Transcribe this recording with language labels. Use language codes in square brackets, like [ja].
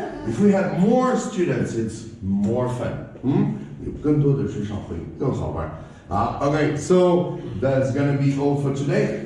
[en] If we have more students, it's more fun. [zh] 有更多的学生会更好玩。 [en] Okay, so that's gonna be all for today.